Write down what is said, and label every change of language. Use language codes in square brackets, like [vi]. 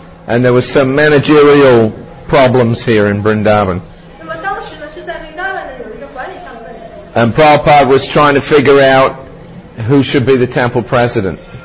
[en] And there was some managerial problems here in Vrindavan. [zh] 那么当时呢，是在 Vrindavan 呢有一个管理上的问题。 [en] And Prabhupada was trying to figure out who should be the temple president.